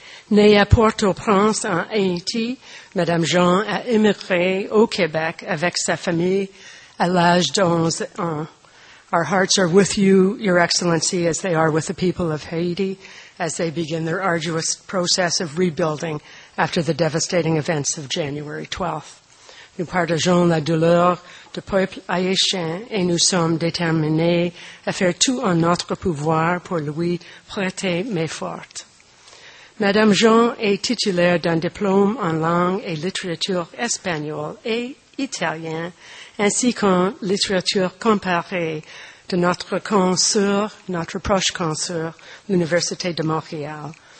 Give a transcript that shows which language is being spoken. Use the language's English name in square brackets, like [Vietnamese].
[French] Née à Port-au-Prince, en Haïti, Madame Jean a immigré au Québec avec sa famille à l'âge de 11 ans. [English] Our hearts are with you, Your Excellency, as they are with the people of Haiti, as they begin their arduous process of rebuilding after the devastating events of January 12th. [French] Nous partageons la douleur du peuple haïtien et nous sommes déterminés à faire tout en notre pouvoir pour lui prêter main forte. Madame Jean est titulaire d'un diplôme en langue et littérature espagnole et italienne, ainsi qu'en littérature comparée de notre proche consoeur, l'Université de Montréal.